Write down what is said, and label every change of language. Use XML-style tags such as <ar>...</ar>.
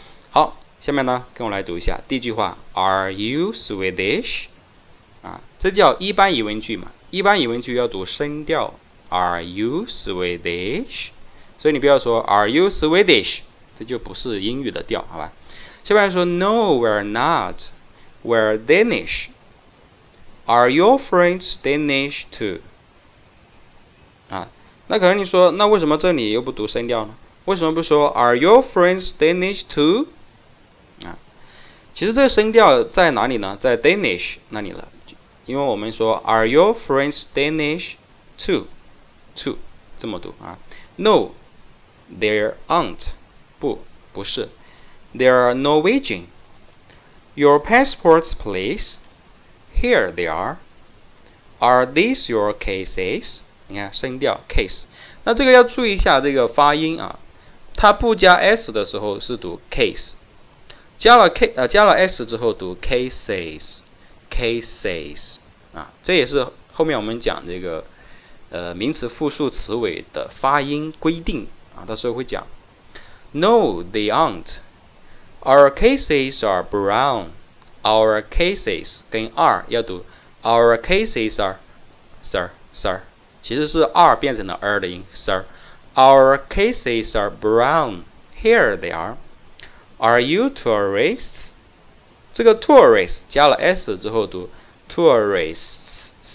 <zh>好，下面呢跟我来读一下第一句话。</zh> <en>Are you Swedish？</en> <zh>啊，这叫一般疑问句嘛，一般疑问句要读声调</zh> <en>Are you Swedish？</en> <zh>所以你不要说</zh> <en>Are you Swedish？</en> <zh>这就不是英语的调，好吧。</zh> <en>下面说 No we're not，We're Danish. Are your friends Danish too？</en> <zh>啊，那可能你说，那为什么这里又不读声调呢？为什么不说</zh> <en>Are your friends Danish too？</en> <zh>啊，其实这个声调在哪里呢？在 Danish 那里了，因为我们说</zh> <en>Are your friends Danish too，</en> <zh>这么读啊。</zh> <en>No, there aren't.</en> <zh>不是</zh> <en>，They are Norwegian. Your passports, please. Here they are. Are these your cases?</en> <zh>你看声调 case， 那这个要注意一下这个发音啊。它不加 s 的时候是读 case， 加了 s 之后读 cases 啊。这也是后面我们讲这个名词复数词尾的发音规定啊，到时候会讲。</zh> <en>No, they aren't. Our cases are brown. Our cases 跟 are 要读 Our cases are sir</en> <zh>其实是</zh> <en>are 变成了 r 的音 sir. Our cases are brown. Here they are. Are you tourists?</en> <zh>这个 tourists 加了 s 之后读 tourists。</zh>